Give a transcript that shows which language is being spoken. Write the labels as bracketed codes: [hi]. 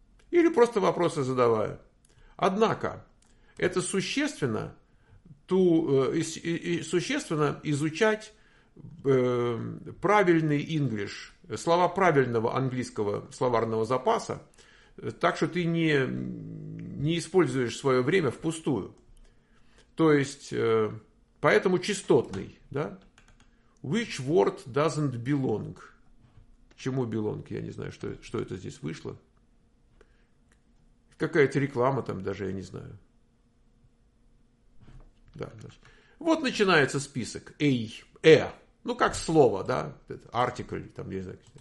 [ru] Или просто вопросы задавая. Однако, это существенно изучать правильный English, слова правильного английского словарного запаса, так что ты не используешь свое время впустую. То есть, поэтому частотный, да? [en] Which word doesn't belong? [ru] Чему belong? Я не знаю, что это здесь вышло. Какая-то реклама там даже, я не знаю. Да, вот начинается список. Эй, э. Ну, как слово, да? Article, там, я не знаю.